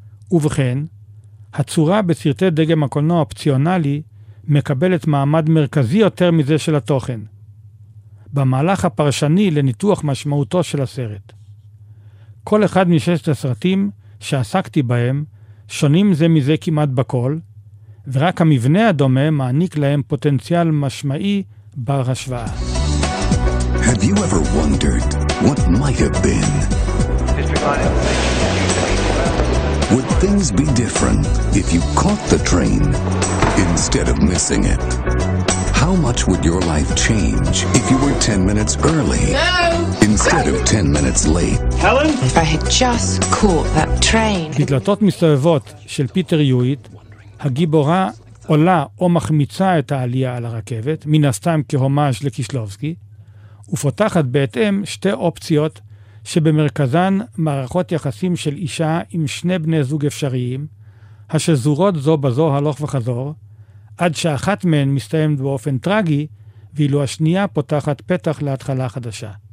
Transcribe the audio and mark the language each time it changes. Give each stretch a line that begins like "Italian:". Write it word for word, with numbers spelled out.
Hebrew: ובכן, הצורה בסרטי דגם הקולנוע האופציונלי מקבלת מעמד מרכזי יותר מזה של התוכן, במהלך הפרשני לניתוח משמעותו של הסרט. כל אחד מששת הסרטים שעסקתי בהם שונים זה מזה כמעט בכל, ורק המבנה הדומה מעניק להם פוטנציאל משמעי בר השוואה.
English: Have you ever wondered what might have been? Would things be different if you caught the train instead of missing it? How much would your life change if you were ten minutes early no. instead of ten minutes late? Helen? If I had just caught that train.
Hebrew: בדלתות מסתובבות של פיטר יואיט, הגיבורה עולה או מחמיצה את העלייה על הרכבת, מן הסתם כהומאז' לקישלובסקי, ופותחת בהתאם שתי אופציות שבמרכזן מערכות יחסים של אישה עם שני בני זוג אפשריים, השזורות זו בזו הלוך וחזור, עד שאחת מהן מסתיימת באופן טרגי, ואילו השנייה פותחת פתח להתחלה חדשה.